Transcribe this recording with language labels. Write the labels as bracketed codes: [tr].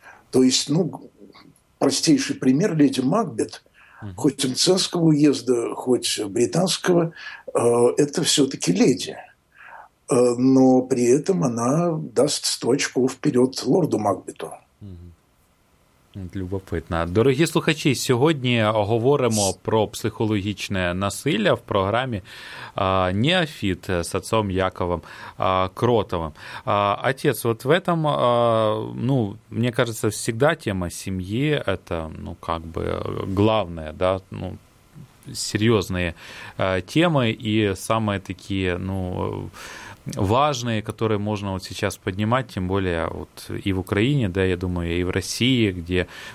[ru] То есть, ну, простейший пример – леди Макбет, хоть Мценского уезда, хоть британского, это все-таки леди. Но при этом она даст 100 очков вперед лорду Макбету. Любопытно. [uk] Дорогі слухачі, сьогодні говоримо про психологічне насилля в програмі «Неофіт» з отцом Яковом Кротовим. [ru] Отець, от в этом, ну, мені кажется, всегда тема сім'ї это, ну, как бы главное, да, ну, [uk] серйозні теми [ru] і самые такі, ну, важные, которые можно вот сейчас поднимать, тем более вот и в Украине, да, я думаю, и в России, где,